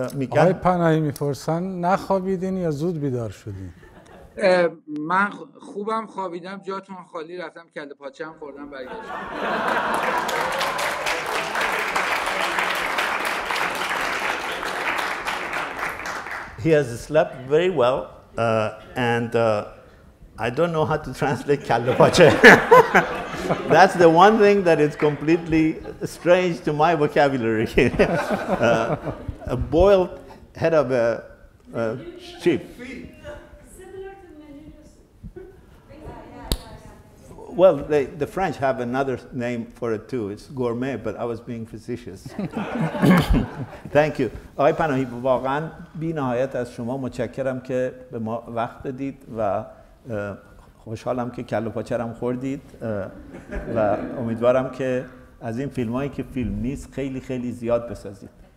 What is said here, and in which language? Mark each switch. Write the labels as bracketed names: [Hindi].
[Persian] آقای پناهی میپرسن نخوابیدین یا زود بیدار شدین؟ من خوبم خوابیدم، جاتون خالی، رفتم کله پاچه‌ام خوردم برگشتم. [English] He has slept very well, and I don't know how to translate kalle pache. That's the one thing that is completely strange to my vocabulary. A boiled head of a sheep. Well, the French have another name for it too. It's gourmet, but I was being facetious. Thank you. [Persian] آقای پناهی، واقعا بی نهایت از شما متشکرم که به ما وقت دادید و خوشحالم که کله پاچه رم خوردید و امیدوارم که از این فیلمایی که فیلم نیست خیلی خیلی زیاد بسازید.